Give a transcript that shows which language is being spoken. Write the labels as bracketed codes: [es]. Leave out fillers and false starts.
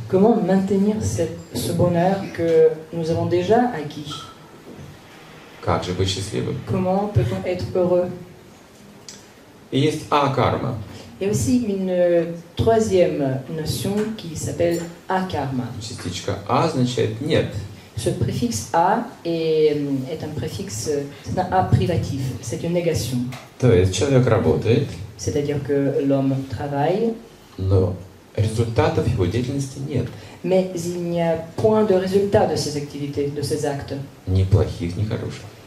[fr] Comment maintenir ce bonheur que nous avons déjà acquis. [ru] Как же быть счастливым. [fr] Comment peut-on être heureux. [ru] Et есть акарма. [fr] Il y a aussi une troisième notion qui s'appelle акарма. [ru] Частичка А означает нет. [fr] Ce préfixe A est un préfixe, c'est un A privatif, c'est une négation. [ru] То есть человек работает. [fr] C'est-à-dire que l'homme travaille. [ru] Но результатов его деятельности нет. [fr] Mais il n'y a point de résultat de ses activités, de ses actes. [ru] Ni plохих, ni хороших.